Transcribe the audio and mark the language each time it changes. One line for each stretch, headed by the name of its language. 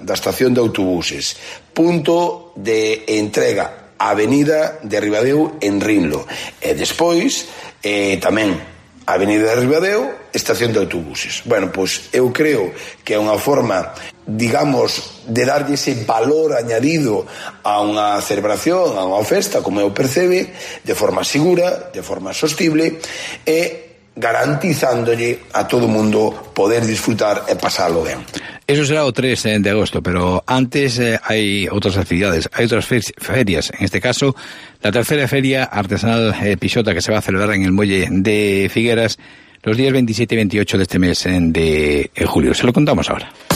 Galician: Da estación de autobuses. Punto de entrega. Avenida de Ribadeo en Rinlo. E despois, tamén Avenida de Ribadeo, estación de autobuses. Bueno, pois eu creo que é unha forma, digamos, de darlle ese valor añadido a unha celebración, a unha festa, como eu percebe, de forma segura, de forma sostible, e garantizándolle a todo mundo poder disfrutar e pasarlo ben.
Spanish: Eso será o 3 de agosto, pero antes hay otras actividades, hay otras ferias. En este caso, la tercera feria artesanal Pixota, que se va a celebrar en el Muelle de Figueras los días 27 y 28 de este mes de julio. Se lo contamos ahora.